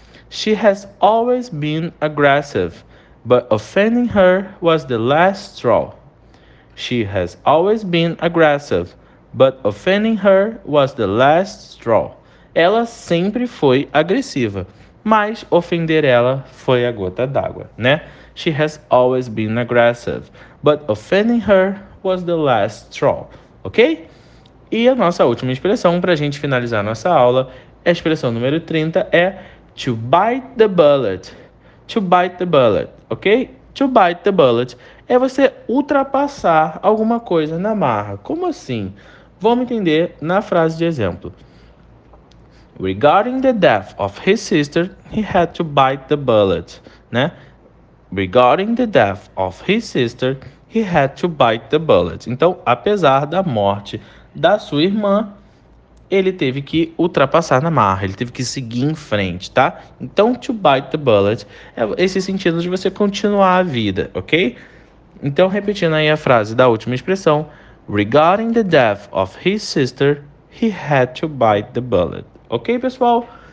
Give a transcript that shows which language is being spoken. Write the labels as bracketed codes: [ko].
[en] She has always been aggressive, but offending her was the last straw. She has always been aggressive, but offending her was the last straw. [pt] Ela sempre foi agressiva, mas ofender ela foi a gota d'água, né? [en] She has always been aggressive, but offending her was the last straw, ok? [pt] E a nossa última expressão para a gente finalizar nossa aula, a expressão número 30 é [en] to bite the bullet, to bite the bullet, [pt] ok? To bite the bullet é você ultrapassar alguma coisa na marra. Como assim? Vamos entender na frase de exemplo. [en] Regarding the death of his sister, he had to bite the bullet, né? Regarding the death of his sister, he had to bite the bullet. [pt] Então, apesar da morte da sua irmã, ele teve que ultrapassar na marra, ele teve que seguir em frente, tá? Então, to bite the bullet é esse sentido de você continuar a vida, ok? Então, repetindo aí a frase da última expressão, [en] regarding the death of his sister, he had to bite the bullet. [pt] Ok, pessoal?